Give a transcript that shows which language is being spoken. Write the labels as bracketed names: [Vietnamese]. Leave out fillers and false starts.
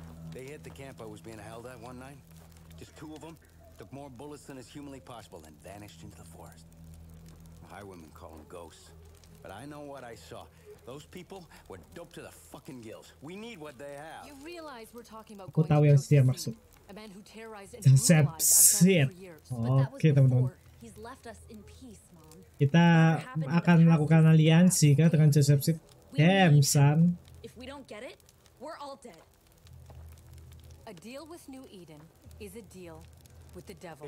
[English] They hit the camp I was being held at one night. Just two of them took more bullets than is humanly possible and vanished into the forest. The highwaymen call them ghosts, but I know what I saw. Those people were doped to the fucking gills. We need what they have. You realize we're talking about going to the sea. A man who terrorized and brutalized us for years. [Indonesian] Oke, teman-teman. [English] He's left us in peace, Mom. [Indonesian] Kita akan melakukan aliansi kah dengan Joseph Seed? [English] Damn, son. If we don't get it, we're all dead. A deal with New Eden is a deal with the devil.